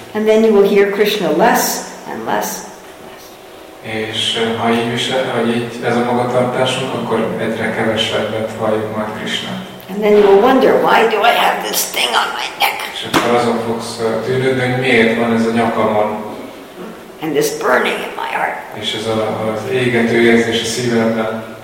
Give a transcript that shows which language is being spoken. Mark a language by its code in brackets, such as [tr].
[en] And then you will hear Krishna less and less. [hu] És ha így ez a magatartásunk, akkor egyre kevesebbet halljuk majd Krishna. [en] And then you will wonder, why do I have this thing on my neck? [hu] És akkor azon fogsz tűnődni, hogy miért van ez a nyakamon. [en] And this burning in my heart. [hu] És ez az égető érzés a szívemben.